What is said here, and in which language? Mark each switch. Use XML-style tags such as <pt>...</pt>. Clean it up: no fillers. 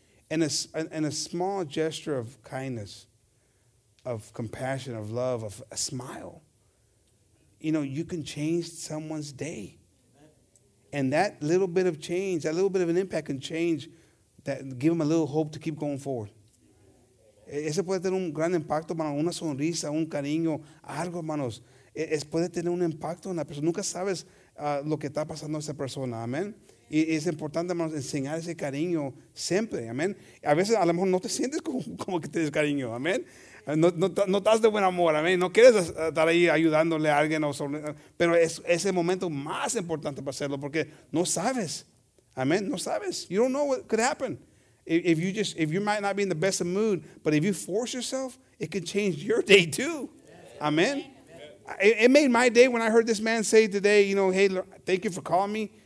<en>And a small gesture of kindness, of compassion, of love, of a smile, you know, you can change someone's day. And that little bit of change, that little bit of an impact can change, that give them a little hope to keep going forward.</en> <es>Ese puede tener un gran impacto, hermano, una sonrisa, un cariño, algo, hermanos. Es puede tener un impacto en la persona. Nunca sabes lo que está pasando a esa persona, amén. Y es importante, hermanos, enseñar ese cariño siempre, amén. A veces, a lo mejor, no te sientes como que tienes cariño, amén. No estás de buen humor, amén. No quieres estar ahí ayudándole a alguien. Pero es el momento más importante para hacerlo porque no sabes, amén. No sabes.</es> <en>You don't know what could happen. If you might not be in the best of mood, but if you force yourself, it can change your day too. Amen. It made my day when I heard this man say today, you know, hey, thank you for calling me.</en>